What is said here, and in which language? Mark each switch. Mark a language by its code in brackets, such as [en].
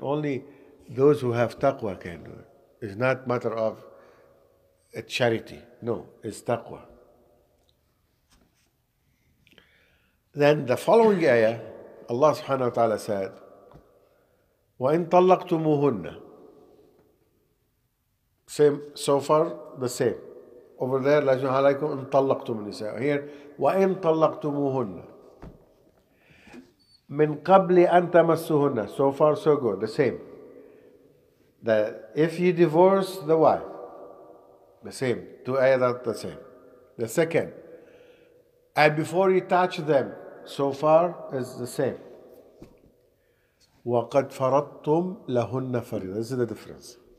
[en] Only those who have taqwa can do it. It's not a matter of a charity. No, it's taqwa. Then the following ayah, Allah subhanahu wa ta'ala said, [ar] وَإِن طَلَّقْتُمُهُنَّ. [en] Same, so far, the same. Over there, [ar] لَجُنْ عَلَيْكُمْ إِن طَلَّقْتُمُ النِّسَاءُ. [en] Here, [ar] وَإِن طَلَّقْتُمُهُنَّ مِنْ قَبْلِ أَن تَمَسُّهُنَّ. [en] So far, so good, the same. That if you divorce the wife, the same. Two ayahs are the same. The second, and before you touch them, so far is the same. [ar] وَقَدْ فَرَضْتُمْ لَهُنَّ فَرِيضَةً. [en] This is the difference.